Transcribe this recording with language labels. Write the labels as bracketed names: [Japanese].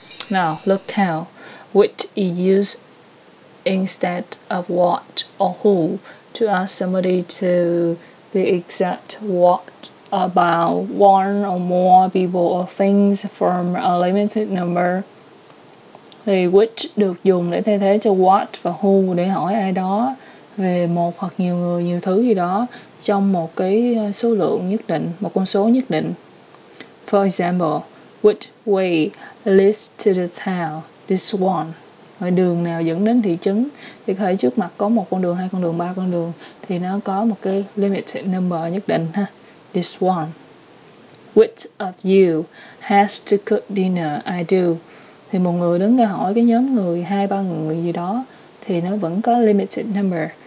[English] Now, look how. Which is used instead of what or who to ask somebody to be exact what about one or more people or things from a limited number? [Vietnamese] Thì which được dùng để thay thế cho what và who để hỏi ai đó về một hoặc nhiều người, nhiều thứ gì đó trong một cái số lượng nhất định, một con số nhất định. [English] For example, which way leads to the town? This one. [Vietnamese] Rồi đường nào dẫn đến thị trấn? Thì có thể trước mặt có một con đường, hai con đường, ba con đường thì nó có một cái limited number nhất định ha. [English] This one. Which of you has to cook dinner? I do. [Vietnamese] Thì một người đứng ra hỏi cái nhóm người, hai ba người gì đó thì nó vẫn có limited number.